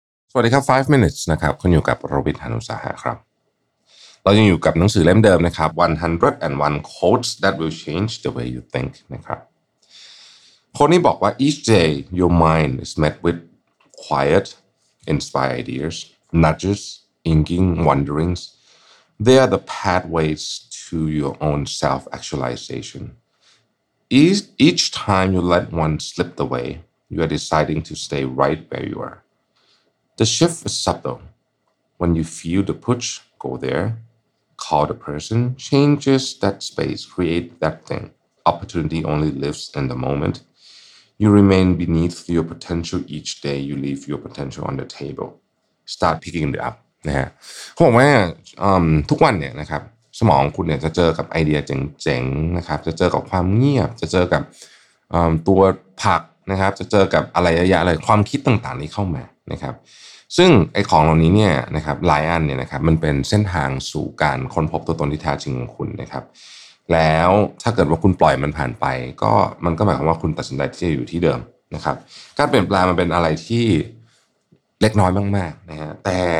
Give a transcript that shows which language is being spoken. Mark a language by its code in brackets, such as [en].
[th] สวัสดีครับ [en] 5 minutes [th] นะครับคุณอยู่กับรวิทย์หานุสาหะครับเรายังอยู่กับหนังสือเล่มเดิมนะครับ [en] 101 quotes that will change the way you think [th] นะครับคนนี้บอกว่า [en] each day your mind is met with quiet inspired ideas nudges inking wonderingsThey are the pathways to your own self-actualization. Each time you let one slip away, you are deciding to stay right where you are. The shift is subtle. When you feel the push, go there. Call the person, changes that space, create that thing. Opportunity only lives in the moment. You remain beneath your potential each day you leave your potential on the table. Start picking it up. [th] นะฮะเขาบอกว่าทุกวันเนี่ยนะครับสมองคุณเนี่ยจะเจอกับไอเดียเจ๋งๆนะครับจะเจอกับความเงียบจะเจอกับตัวผักนะครับจะเจอกับอะไรเยอะๆเลยความคิดต่างๆนี้เข้ามานะครับซึ่งไอของเหล่านี้เนี่ยนะครับหลายอันเนี่ยนะครับมันเป็นเส้นทางสู่การค้นพบตัวตนที่แท้จริงของคุณนะครับแล้วถ้าเกิดว่าคุณปล่อยมันผ่านไปก็มันก็หมายความว่าคุณตัดสินใจที่จะอยู่ที่เดิมนะครับการเปลี่ยนแปลงมันเป็นอะไรที่เล็กน้อยมากๆนะฮะแต่